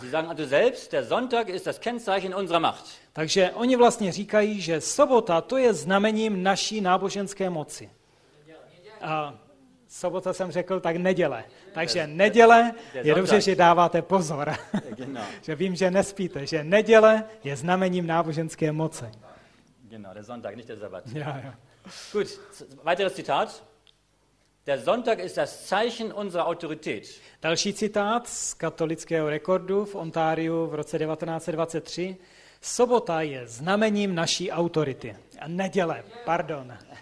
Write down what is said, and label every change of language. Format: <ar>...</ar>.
<de>Sie sagen also selbst, der Sonntag ist das Kennzeichen unserer Macht.</de> <cs>Takže oni vlastně říkají, že sobota, to je znamením naší náboženské moci. sobota jsem řekl, tak neděle. Takže neděle je dobře, že dáváte pozor. Že vím, že nespíte, že neděle je znamením náboženské moci.</cs> <de>Genau, der Sonntag, nicht der Sabbat. Ja, ja. Gut, weiteres Zitat. Der Sonntag ist das Zeichen unserer Autorität.</de> <cs>Další</cs> <de>Zitat</de> <cs>z katolického rekordu v Ontariu v roce 1923. Sobota je znamením naší autority. A neděle, pardon.</cs>